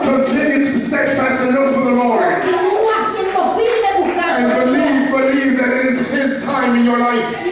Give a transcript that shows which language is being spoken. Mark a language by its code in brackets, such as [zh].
[en] Continue to be steadfast and look for the Lord. [es] Continúa siendo firme buscando. [en] And believe that it is His time in your life.